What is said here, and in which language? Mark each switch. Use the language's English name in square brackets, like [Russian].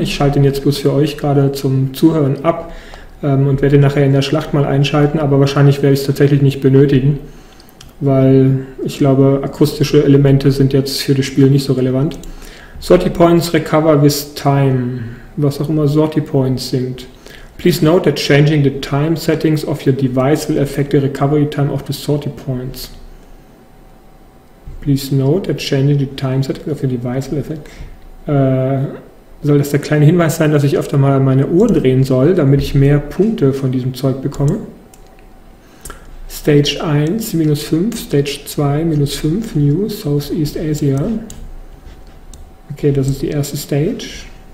[German] Ich schalte ihn jetzt bloß für euch gerade zum Zuhören ab und werde ihn nachher in der Schlacht mal einschalten, aber wahrscheinlich werde ich es tatsächlich nicht benötigen, weil ich glaube, akustische Elemente sind jetzt für das Spiel nicht so relevant. [English] Sortie Points recover with time. [German] Was auch immer Sortie Points sind. [English] Please note that changing the time settings of your device will affect the recovery time of the Sortie Points. Please note that changing the time settings of your device will affect... [German] soll das der kleine Hinweis sein, dass ich öfter mal meine Uhr drehen soll, damit ich mehr Punkte von diesem Zeug bekomme? [English] Stage 1, minus 5. Stage 2, minus 5. [German] New, Southeast Asia. Okay, das ist die erste Stage.